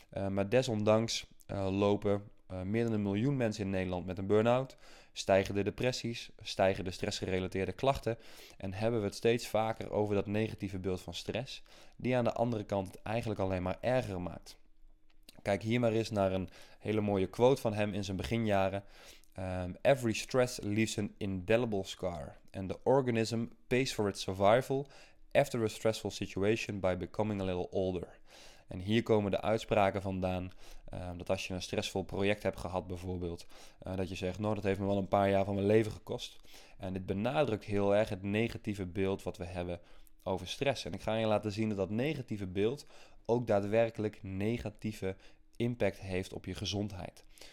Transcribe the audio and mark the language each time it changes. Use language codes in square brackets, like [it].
[nl] Maar desondanks lopen meer dan 1 miljoen mensen in Nederland met een burn-out, stijgen de depressies, stijgen de stressgerelateerde klachten en hebben we het steeds vaker over dat negatieve beeld van stress, die aan de andere kant het eigenlijk alleen maar erger maakt. Kijk hier maar eens naar een hele mooie quote van hem in zijn beginjaren. [en] Every stress leaves an indelible scar and the organism pays for its survival after a stressful situation by becoming a little older. [nl] En hier komen de uitspraken vandaan dat als je een stressvol project hebt gehad bijvoorbeeld, dat je zegt, nou, dat heeft me wel een paar jaar van mijn leven gekost. En dit benadrukt heel erg het negatieve beeld wat we hebben over stress. En ik ga je laten zien dat dat negatieve beeld ook daadwerkelijk negatieve impact heeft op je gezondheid.